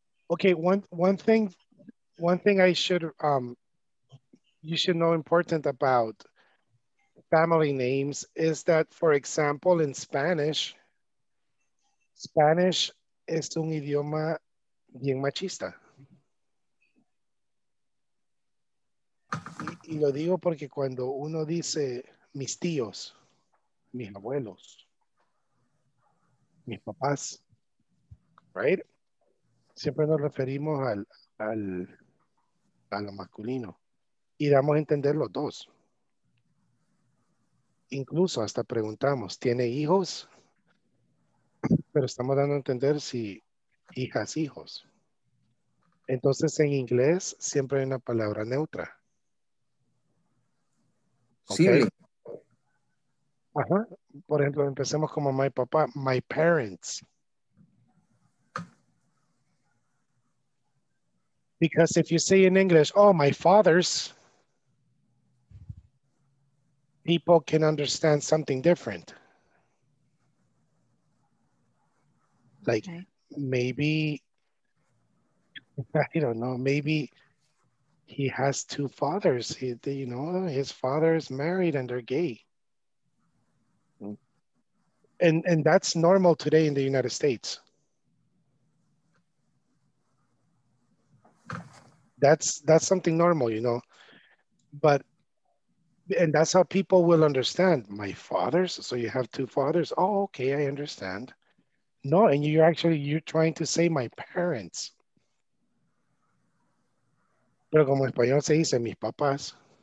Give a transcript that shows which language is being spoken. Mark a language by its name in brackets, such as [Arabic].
[English] Okay, one thing I should you should know important about family names is that, for example, in Spanish [Spanish] es un idioma bien machista. Y lo digo porque cuando uno dice mis tíos, mis abuelos, mis papás, right? Siempre nos referimos a lo masculino y damos a entender los dos. Incluso hasta preguntamos, ¿tiene hijos? Pero estamos dando a entender si hijas, hijos. Entonces en inglés siempre hay una palabra neutra. [English] Okay. [Spanish] Sí. Ajá. Por ejemplo, empecemos como [English] my papá, my parents. Because if you say in English, oh, my fathers, people can understand something different. Like, maybe, I don't know, maybe he has two fathers. He, you know, his father is married and they're gay. And that's normal today in the United States. That's something normal, you know. But, and that's how people will understand. My fathers, so you have two fathers. Oh, okay, I understand. No, and you're trying to say my parents. [Spanish] Pero como en español se dice, mis papás.